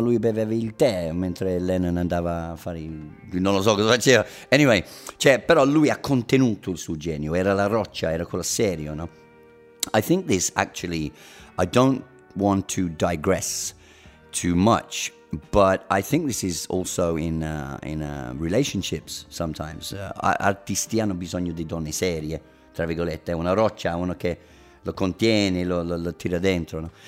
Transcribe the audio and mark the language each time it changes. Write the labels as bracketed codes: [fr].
[it] Lui beveva il tè mentre Lennon andava a fare non lo so cosa faceva. Anyway, cioè, però lui ha contenuto il suo genio, era la roccia, era quello serio, no? [en] I think this actually, I don't want to digress too much, but I think this is also in relationships sometimes. [it] Artisti hanno bisogno di donne serie, tra virgolette, una roccia, uno che lo contiene, lo tira dentro, no?